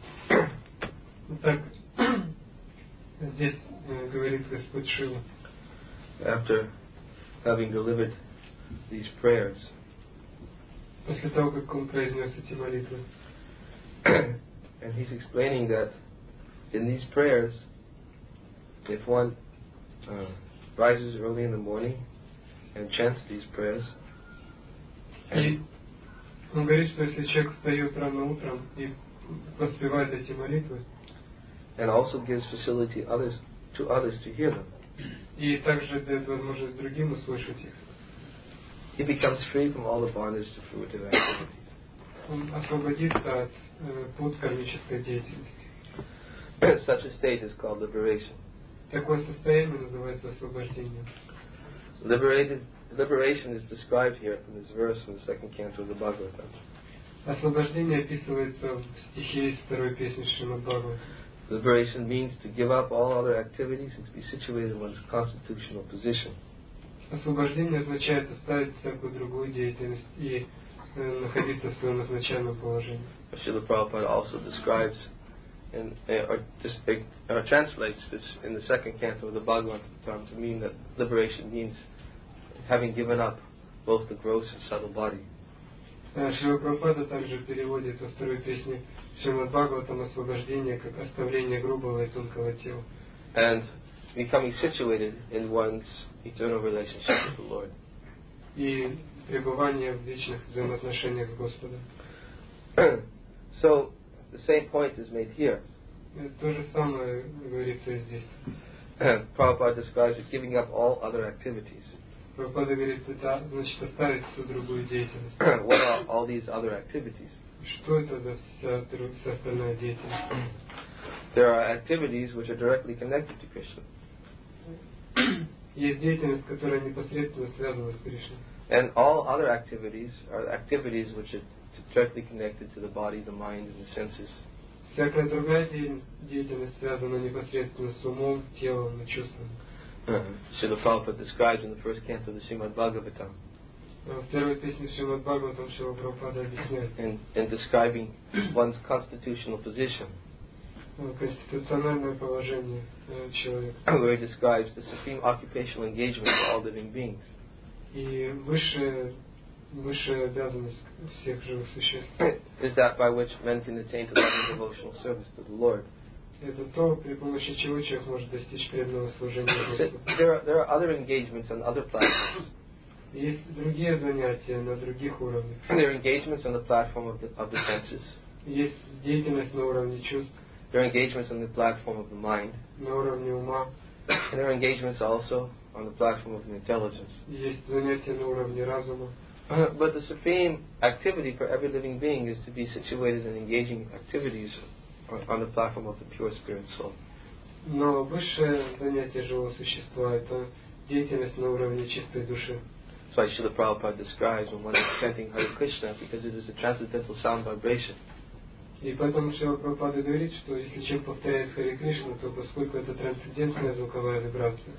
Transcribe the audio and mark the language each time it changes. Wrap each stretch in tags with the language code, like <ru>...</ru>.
<ru>Так, здесь говорит Господь Шива.</ru> <en>After having delivered these prayers.</en> <ru>После того, как он произнес эти молитвы.</ru> <en>And he's explaining that in these prayers, if one rises early in the morning and chants these prayers,</en> <ru>он говорит, что если человек встает рано утром и воспевает эти молитвы,</ru> <en>and also gives facility others, to others to hear them,</en> <ru>и также дает возможность другим услышать их,</ru> <en>he becomes free from all the bondage to fruitive activities.</en> <ru>Он освободится от пут кармической деятельности.</ru> <en>Such a state is called liberation.</en> <ru>Такое состояние называется освобождением.</ru> <en>Liberation is described here from this verse from the second canto of the Bhagavatam.</en> <ru>Освобождение описывается в стихе из второй песни Шримад-Бхагаватам.</ru> <en>Liberation means to give up all other activities and to be situated in one's constitutional position.</en> <ru>Освобождение означает оставить всякую другую деятельность и находиться в своем изначальном положении.</ru> <en>Srila Prabhupada also describes and translates this in the second canto of the Bhagavatam to mean that liberation means having given up both the gross and subtle body.</en> <ru>Шрила Прабхупада также переводит во второй песне Шримад Бхагаватам освобождение как оставление грубого и тонкого тела.</ru> <en>And becoming situated in one's eternal relationship with the Lord.</en> <ru>И пребывание в вечных взаимоотношениях с Господом.</ru> <en>So, the same point is made here.</en> <ru>То же самое говорится и здесь.</ru> <en>Prabhupada describes it giving up all other activities.</en> <ru>Прабхупада говорит, это значит оставить всю другую деятельность.</ru> <en>What are all these other activities?</en> <ru>Что это за вся остальная деятельность?</ru> <en>There are activities which are directly connected to Krishna.</en> <ru>Есть деятельность, которая непосредственно связана с Кришной.</ru> <en>And all other activities are activities which are directly connected to the body, the mind, and the senses.</en> <ru>Всякая другая деятельность связана непосредственно с умом, телом и чувствами.</ru> <en>Srila Prabhupada describes in the first canto of the Srimad Bhagavatam.</en> <ru>В первой песне Srimad Bhagavatam Srila Prabhupada объясняет.</ru> <en>In describing one's constitutional position.</en> <ru>Конституциональное положение человека.</ru> <en>Where he describes the supreme occupational engagement of all living beings.</en> <ru>И высшая обязанность всех живых существ.</ru> <en>Is that by which men can attain to loving devotional service to the Lord.</en> <ru>Это то, при помощи чего человек может достичь преданного служения Господу.</ru> <en>There are other engagements on other platforms.</en> <ru>Есть другие занятия на других уровнях.</ru> <en>There are engagements on the platform of the senses.</en> <ru>Есть деятельность на уровне чувств.</ru> <en>There are engagements on the platform of the mind.</en> <ru>На уровне ума.</ru> <en>And there are engagements also on the platform of the intelligence.</en> <ru>Есть занятия на уровне разума.</ru> <en>But the supreme activity for every living being is to be situated in engaging activities on the platform of the pure spirit soul.</en> <ru>Но высшее занятие живого существа это деятельность на уровне чистой души.</ru> <en>That's why Srila Prabhupada describes when one is chanting Hare Krishna because it is a transcendental sound vibration.</en> <ru>И поэтому Шрила Прабхупада говорит, что если человек повторяет Хари Кришну, то поскольку это трансцендентная звуковая вибрация.</ru>